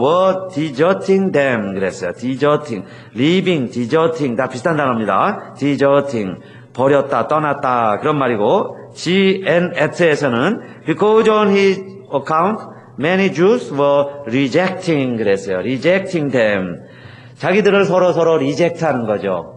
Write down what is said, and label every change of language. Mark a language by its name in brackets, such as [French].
[English] were deserting them [Korean] 그랬어요. deserting, leaving, deserting 다 비슷한 단어입니다. deserting, 버렸다, 떠났다 그런 말이고, GNS에서는 [English] because on his account many Jews were rejecting [Korean] 그랬어요. [English] rejecting them, [Korean] 자기들을 서로서로 리젝트하는 거죠.